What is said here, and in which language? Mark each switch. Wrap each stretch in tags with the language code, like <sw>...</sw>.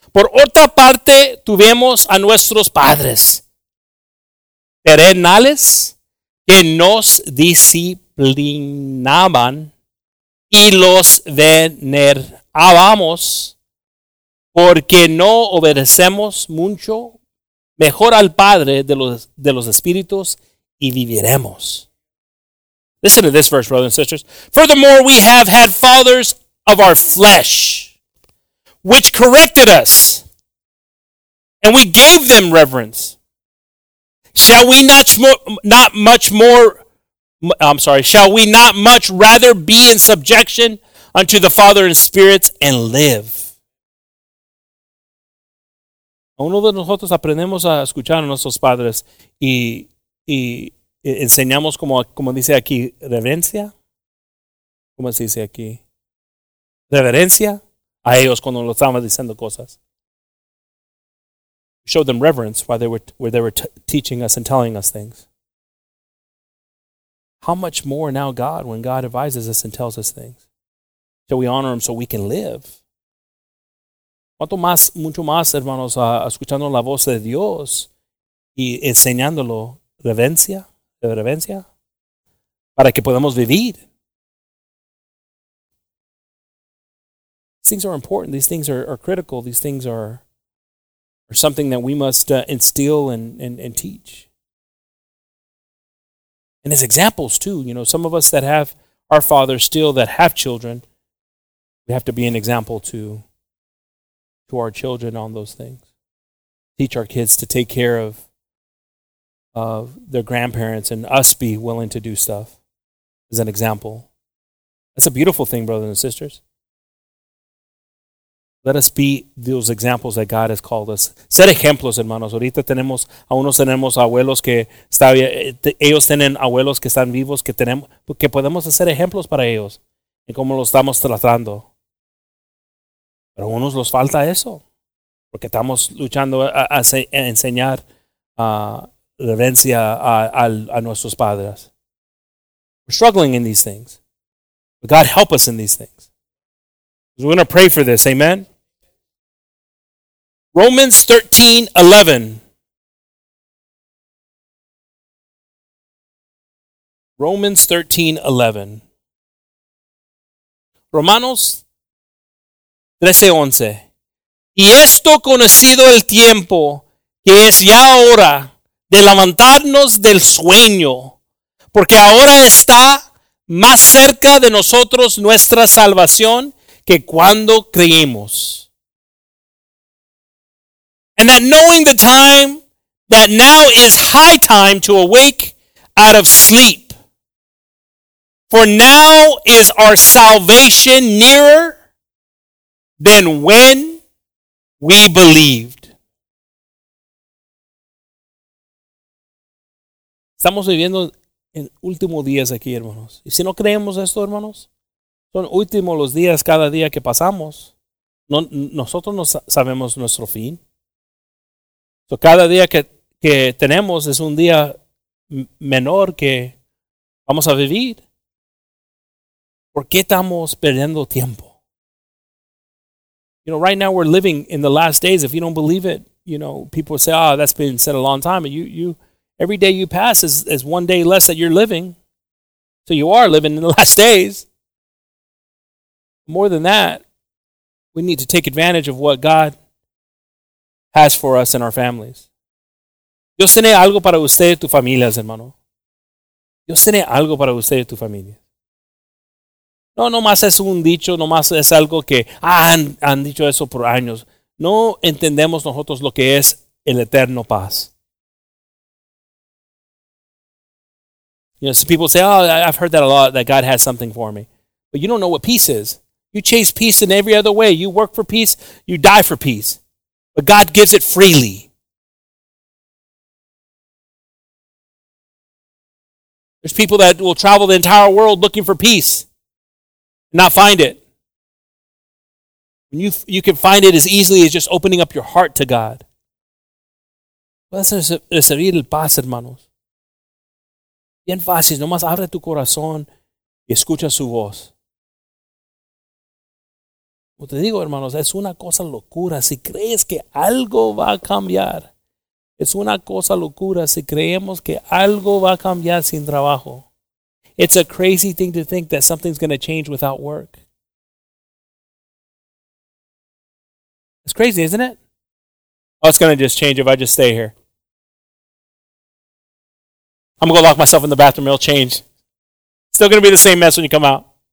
<es>Por otra parte, tuvimos a nuestros padres terrenales que nos disciplinaban y los veneraban. vamos, porque no obedecemos mucho, mejor al Padre de los espíritus y viviremos.</es> <en>Listen to this verse, brothers and sisters. Furthermore, we have had fathers of our flesh, which corrected us, and we gave them reverence. Shall we not much rather be in subjection unto the Father and spirits and live?</en> <es>Uno de nosotros aprendemos a escuchar a nuestros padres y enseñamos como dice aquí, reverencia. ¿Cómo se dice aquí? Reverencia a ellos cuando lo estábamos diciendo cosas.</es> <en>Showed them reverence while they were teaching us and telling us things. How much more now God, when God advises us and tells us things, shall we honor him so we can live? ¿Cuánto más, mucho más, hermanos, escuchando la voz de Dios y enseñándolo reverencia, para que podamos vivir? These things are important. These things are critical. These things are something that we must instill and teach. And as examples, too, you know, some of us that have our fathers still that have children, we have to be an example to our children on those things. Teach our kids to take care of their grandparents and us be willing to do stuff as an example. That's a beautiful thing, brothers and sisters. Let us be those examples that God has called us.</en> <es>Ser ejemplos, hermanos. Ahorita tenemos, aún no tenemos abuelos que está, ellos tienen abuelos que están vivos, que tenemos, que podemos hacer ejemplos para ellos y cómo lo estamos tratando. Pero a unos los falta eso, porque estamos luchando a enseñar reverencia a nuestros padres.</es> <en>We're struggling in these things. But God, help us in these things. We're going to pray for this, amen? Romans 13:11. Romans 13:11.</en> <es>Romanos 13:11. Y esto conocido el tiempo, que es ya hora de levantarnos del sueño, porque ahora está más cerca de nosotros nuestra salvación que cuando creímos.</es> <en>And that knowing the time, that now is high time to awake out of sleep. For now is our salvation nearer than when we believed.</en> <es>Estamos viviendo en últimos días aquí, hermanos. Y si no creemos esto, hermanos, son últimos los días cada día que pasamos. No, nosotros no sabemos nuestro fin.</es> <en>So</en> <es>cada día que tenemos es un día menor que vamos a vivir. ¿Por qué estamos perdiendo tiempo?</es> <en>You know, right now we're living in the last days. If you don't believe it, you know, people say, "Oh, that's been said a long time." And you every day you pass is one day less that you're living. So you are living in the last days. More than that, we need to take advantage of what God has for us and our families. Dios tiene algo para usted y tu familia, hermano. Dios tiene algo para usted y tu familia. No, no más es un dicho, no más es algo que han dicho eso por años. No entendemos nosotros lo que es el eterno paz. You know, so people say, "Oh, I've heard that a lot, that God has something for me." But you don't know what peace is. You chase peace in every other way. You work for peace, you die for peace. But God gives it freely. There's people that will travel the entire world looking for peace. Not find it. You can find it as easily as just opening up your heart to God.</en> <es>Puedes recibir el paz, hermanos. Bien fácil. Nomás abre tu corazón y escucha su voz. Como te digo, hermanos, es una cosa locura si crees que algo va a cambiar. Es una cosa locura si creemos que algo va a cambiar sin trabajo.</es> <en>It's a crazy thing to think that something's going to change without work. It's crazy, isn't it? Oh, it's going to just change if I just stay here. I'm going to go lock myself in the bathroom. It'll change. Still going to be the same mess when you come out.</en>